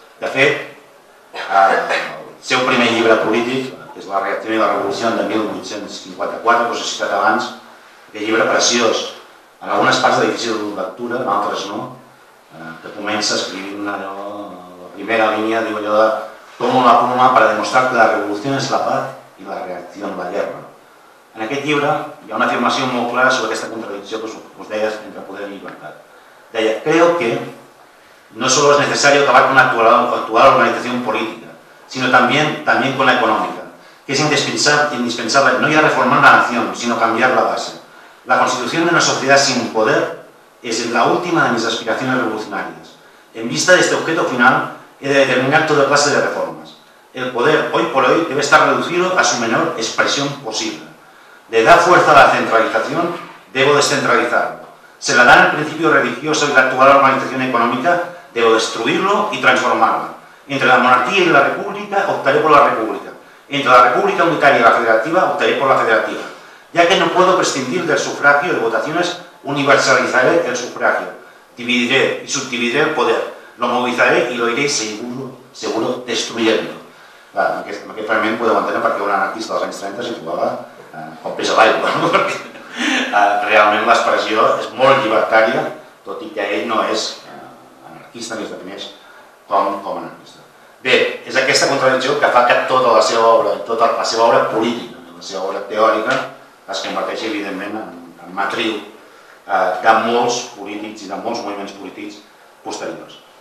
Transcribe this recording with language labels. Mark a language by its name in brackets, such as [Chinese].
[Catalan] De fet, el seu primer llibre polític, que és La reacció i la revolució de 1854, que us he citat abans, aquest llibre preciós, en algunes parts de difícil lectura, en altres no, que comença escrivint una, no, la primera línia, diu allò de [Spanish] «Tomo la pluma para demostrar que la revolució és la paz i la reacció la guerra». [Catalan] En aquest llibre hi ha una afirmació molt clara sobre aquesta contradicció que us deia entre poder i llibertat. [Spanish] Deia «Creo que no solo es necesario acabar con la actual organización política, sino también con la económica, que es indispensable no ya reformar la nación, sino cambiar la base. La constitución de una sociedad sin poder es la última de mis aspiraciones revolucionarias. En vista de este objeto final, he de determinar toda clase de reformas. El poder, hoy por hoy, debe estar reducido a su menor expresión posible. De dar fuerza a la centralización, debo descentralizarlo. Se la dan el principio religioso y la actual organización económica, debo destruirlo y transformarlo. Entre la monarquía y la república, optaré por la república. Entre la república unitaria y la federativa, optaré por la federativa. Ya que no puedo prescindir del sufragio de votaciones, universalizaré el sufragio. Dividiré y subdividiré el poder. Lo movilizaré y lo iré seguro destruyendo. [Catalan] Claro, en aquest fragment podeu entendre perquè un anarquista dels anys 30 se jugava com peix a l'aigua, no? Realment l'expressió és molt llibertària, tot i que ell no és anarquista, ni es defineix com anarquista. Bé, és aquesta contradicció que fa que tota la seva obra, tota la seva obra política, la seva obra teòrica, es converteixi evidentment en matriu de molts polítics i de molts moviments polítics posteriors.